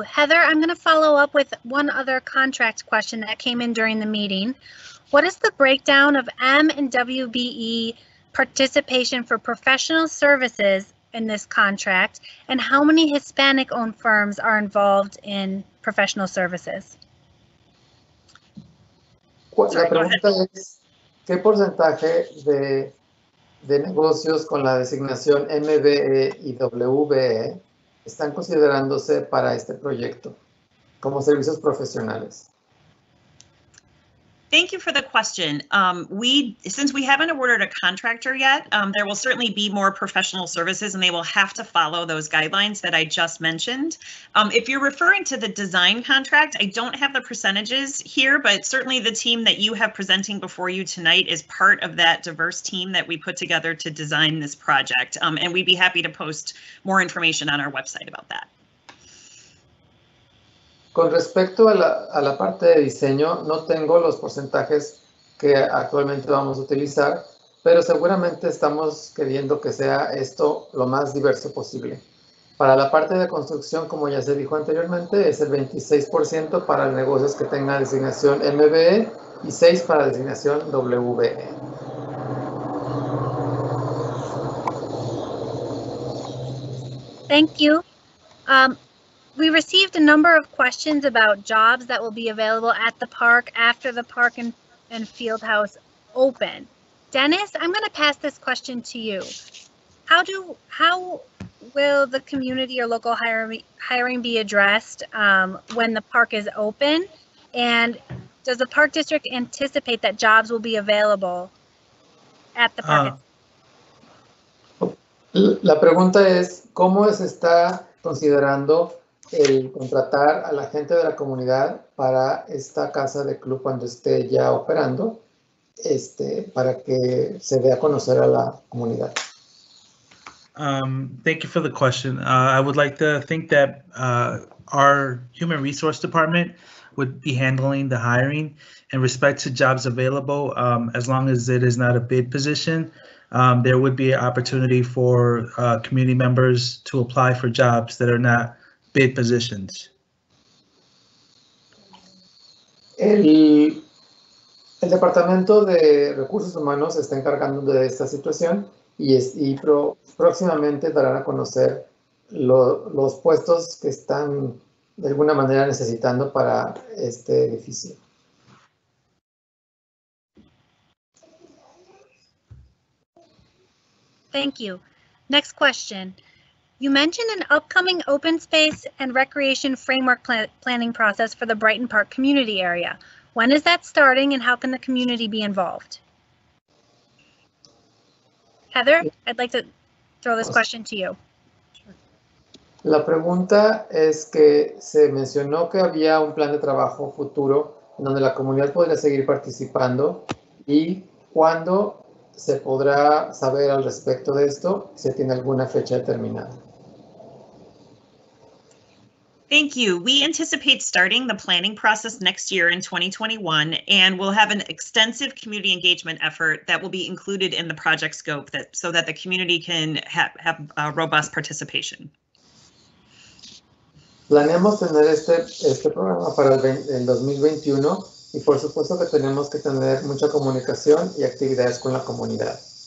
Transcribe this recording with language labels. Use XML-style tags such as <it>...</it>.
<en>Heather, I'm going to follow up with one other contract question that came in during the meeting. What is the breakdown of M and WBE participation for professional services in this contract, and how many Hispanic-owned firms are involved in professional services?</en> <es>La pregunta es, ¿qué porcentaje de negocios con la designación MBE y WBE están considerándose para este proyecto como servicios profesionales?</es> <en>Thank you for the question. Since we haven't awarded a contractor yet, there will certainly be more professional services and they will have to follow those guidelines that I just mentioned. If you're referring to the design contract, I don't have the percentages here, but certainly the team that you have presenting before you tonight is part of that diverse team that we put together to design this project. And we'd be happy to post more information on our website about that.</en> <es>Con respecto a la parte de diseño, no tengo los porcentajes que actualmente vamos a utilizar, pero seguramente estamos queriendo que sea esto lo más diverso posible. Para la parte de construcción, como ya se dijo anteriormente, es el 26% para negocios que tengan designación MBE y 6% para designación WBE.</es> <en>Thank you. We received a number of questions about jobs that will be available at the park after the park and field house open. Dennis, I'm going to pass this question to you. How will the community or local hiring be addressed when the park is open? And does the park district anticipate that jobs will be available at the park?</en> <es>La pregunta es, ¿cómo se está considerando el contratar a la gente de la comunidad para esta casa de club cuando esté ya operando, para que se dé a conocer a la comunidad?</es> <en>Thank you for the question. I would like to think that our human resource department would be handling the hiring in respect to jobs available, as long as it is not a bid position. There would be an opportunity for community members to apply for jobs that are not bid positions.</en> <es>El Departamento de Recursos Humanos está encargando de esta situación y próximamente darán a conocer los puestos que están de alguna manera necesitando para este edificio.</es> <en>Thank you. Next question. You mentioned an upcoming open space and recreation framework planning process for the Brighton Park community area. When is that starting and how can the community be involved? Heather, I'd like to throw this question to you.</en> <es>La pregunta es que se mencionó que había un plan de trabajo futuro en donde la comunidad podría seguir participando y cuándo se podrá saber al respecto de esto, si tiene alguna fecha determinada.</es> <en>Thank you. We anticipate starting the planning process next year in 2021, and we'll have an extensive community engagement effort that will be included in the project scope that, so that the community can have robust participation.</en> <es>Planeamos tener este programa para el 2021, y por supuesto que tenemos que tener mucha comunicación y actividades con la comunidad.</es>